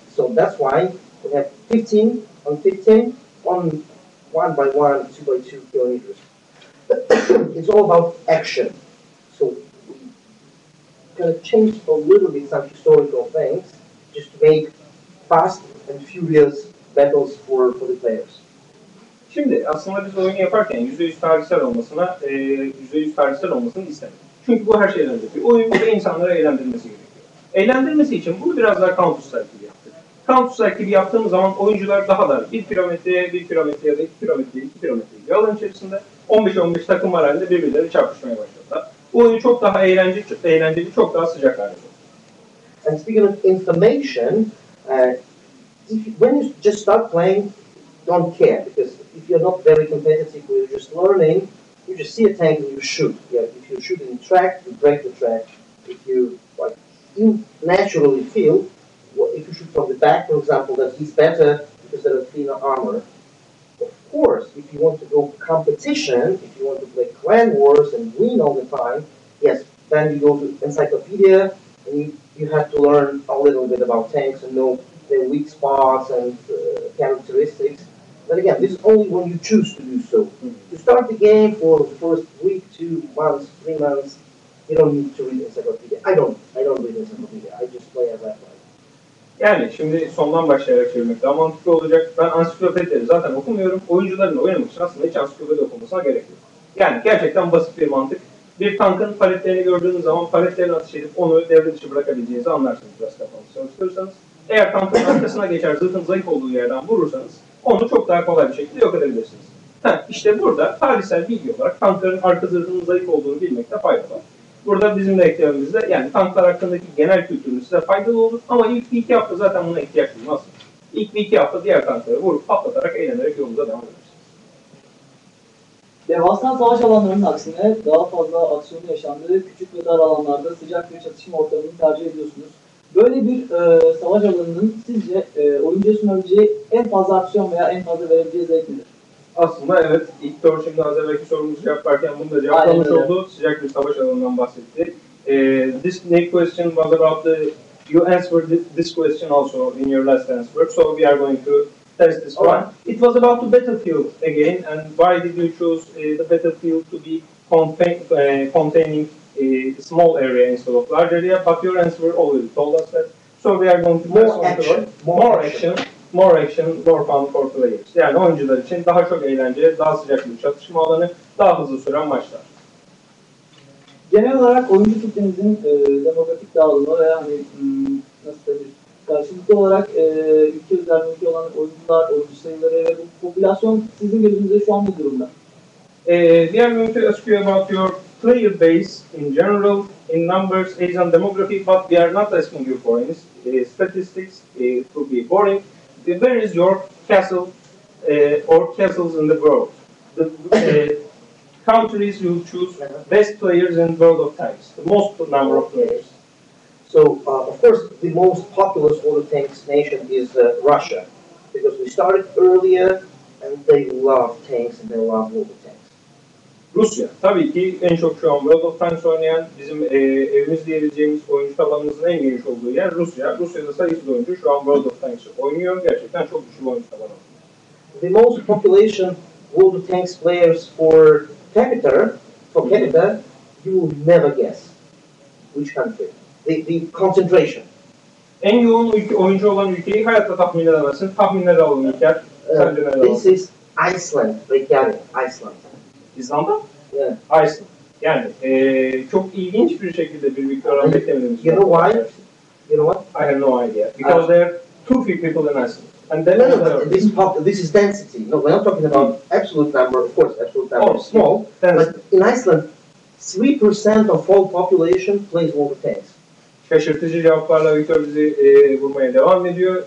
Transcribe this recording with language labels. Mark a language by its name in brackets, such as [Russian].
[English] So that's why we have 15 on 15 on 1x1, 2x2 kilometers. It's all about action. So we're going to change a little bit some historical things just to make fast and furious battles for the players. [Turkish] Şimdi aslında biz oyunu yaparken %100 tarihsel olmasına %100 tarihsel olmasını istemedik. Çünkü bu her şeyden önce bir oyun ve insanları eğlendirmesi gerekiyor. Eğlendirmesi için bunu biraz daha Counter-Strike gibi yaptık. Counter-Strike gibi yaptığımız zaman oyuncular daha dar. 1 kilometreye, 1 kilometreye ya da 2 kilometreye, 2 kilometreye bir alan içerisinde 15-15 takım var halinde birbirleri çarpışmaya başladılar. Bu oyun çok daha eğlenceli, çok daha sıcak hale geldi. [English] And speaking of information, when you just start playing, don't care because if you're not very competitive, or you're just learning, you just see a tank and you shoot. Yeah, if you shoot in track, you break the track. If you naturally feel, if you shoot from the back, for example, that he's better because there's thinner armor. Of course, if you want to go competition, if you want to play clan wars and win all the time, yes, then you go to encyclopedia and you have to learn a little bit about tanks and know their weak spots and characteristics. But again, this is only when you choose to do so. Mm-hmm. You start the game for the first week, 2 months, 3 months, you don't need to read encyclopedia. I don't read encyclopedia. I just play as I play. [Turkish] Yani şimdi sondan başlayarak çevirmek daha mantıklı olacak. Ben ansiklopedileri zaten okumuyorum. Oyuncuların oynamak için aslında hiç ansiklopedi okumasına gerek yok. Yani gerçekten basit bir mantık. Bir tankın paletlerini gördüğünüz zaman paletlerini atış edip onu devre dışı bırakabileceğinizi anlarsınız biraz kafanızı çalıştırırsanız. Eğer tankın arkasına geçer, zırhın zayıf olduğu yerden vurursanız onu çok daha kolay bir şekilde yok edebilirsiniz. Ha, işte burada tarihsel bilgi olarak tankların arka zırhının zayıf olduğunu bilmekte fayda var. Burada bizim de eklememiz de yani tanklar hakkındaki genel kültürümüz size faydalı olur ama ilk bir iki hafta zaten buna ihtiyaç duymaz. İlk bir iki hafta diğer tankları vurup patlatarak eğlenerek yolunuza devam edersiniz. Devasa savaş alanlarının aksine daha fazla aksiyonun yaşandığı küçük ve dar alanlarda sıcak bir çatışma ortamını tercih ediyorsunuz. Böyle bir savaş alanının sizce oyuncuya sunabileceği en fazla aksiyon veya en fazla verebileceği zevk nedir? Aslında evet. İlk doğru şimdi az evvelki sorumuzu yaparken bunu da cevaplamış oldu. Sıcak bir savaş alanından bahsetti. [English] This next question was about the... You answered this question also in your last answer. So we are going to test this one. It was about the battlefield again. And why did you choose the battlefield to be containing a small area instead of large area, but your answer always told us that. So we are going to more action. More action, more fun for players. [Turkish] Yani oyuncular için daha çok eğlence, daha sıcak bir çatışma alanı, daha hızlı süren maçlar. Genel olarak oyuncu kitlenizin demografik dağılımı veya hani nasıl denir? Karşılıklı olarak ülke üzerindeki olan oyuncular, oyuncu sayıları ve bu popülasyon sizin gözünüzde şu an bu durumda. [English] We are going to ask you about your player base in general, in numbers, age and demography, but we are not asking you for any statistics, it could be boring. Where is your castle or castles in the world? The countries you choose, best players in World of Tanks, the most number of players. So, of course, the most populous World of Tanks nation is Russia, because we started earlier and they love tanks and they love World of Tanks. [Turkish] Rusya. Tabii ki en çok şu an World of Tanks oynayan, bizim evimiz diyebileceğimiz oyuncu tabanımızın en geniş olduğu yer Rusya. Rusya'da sayısız oyuncu şu an World of Tanks oynuyor. Gerçekten çok güçlü oyuncu tabanı. [English] The most population World of Tanks players for capita, you will never guess. which country? The concentration. [Turkish] En yoğun oyuncu olan ülkeyi hayatta tahmin edemezsin. Tahminleri alın ülke. [English] This is Iceland. Iceland. [Turkish] İzlanda? [English] Yeah. Iceland. [Turkish] Yani çok ilginç bir şekilde bir miktar aram beklemedim. [English] You know why? You know what? I have no idea. Because there are too few people in Iceland. And then this is density. No, we're not talking about absolute number. Of course, absolute number is small. But in Iceland, 3% of all population plays World of Tanks. [Turkish] Şaşırtıcı cevaplarla Victor bizi vurmaya devam ediyor.